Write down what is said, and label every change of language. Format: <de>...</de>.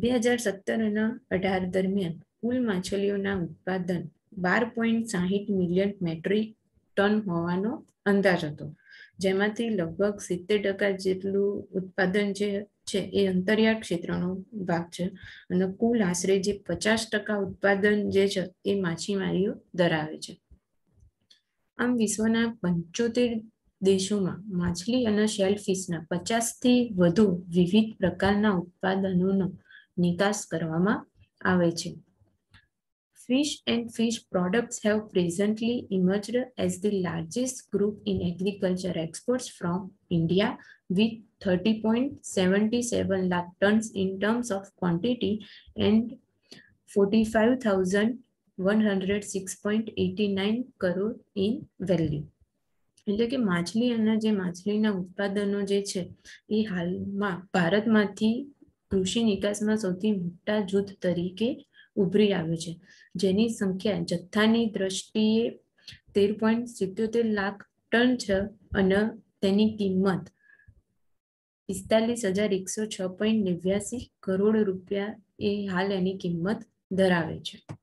<gu>2017 અને 2018 દરમિયાન કુલ માછલીઓના ઉત્પાદન 12.60 મિલિયન મેટ્રિક ટન હોવાનો અંદાજ હતો, જેમાંથી લગભગ 70% જેટલું ઉત્પાદન જે છે એ અંતરિયાળ ક્ષેત્રનો ભાગ છે અને કુલ આશરે જે 50% ઉત્પાદન જે છે એ માછીમારીઓ ધરાવે છે. આમ વિશ્વના 75 દેશોમાં માછલી અને શેલફિશના 50 થી વધુ વિવિધ પ્રકારના ઉત્પાદનોનો નિકાસ કરવામાં આવે છે.</gu> <en>Fish and fish products have presently emerged as the largest group in agriculture exports from India with 30.77 lakh tons in terms of quantity and 45,106.89 crore in value.</en> <gu>એટલે કે માછલી અને જે માછલીના ઉત્પાદનો જે છે એ હાલમાં ભારતમાંથી કૃષિ નિકાસમાં સૌથી મોટા જૂથ તરીકે ઉભરી આવ્યો છે, જેની સંખ્યા જથ્થાની દ્રષ્ટિએ 13.77 લાખ ટન છે અને તેની કિંમત 45,106.89 કરોડ રૂપિયા એ હાલ એની કિંમત ધરાવે છે.</gu>